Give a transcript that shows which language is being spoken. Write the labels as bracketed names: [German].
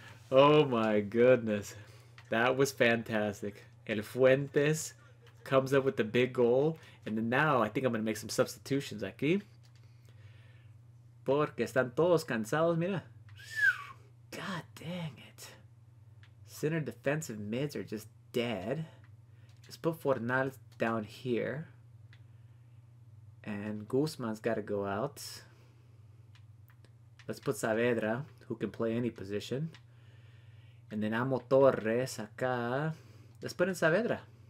[English] Oh my goodness. That was fantastic. El Fuentes comes up with the big goal. And then now I think I'm going to make some substitutions [Spanish] aquí. Porque están todos cansados, mira. [English] God dang it. Center defensive mids are just dead. Let's put Fornals down here. And Guzman's got to go out. Let's put Saavedra, who can play any position. And then Amo Torres [Spanish] acá. [English] Let's put in Saavedra.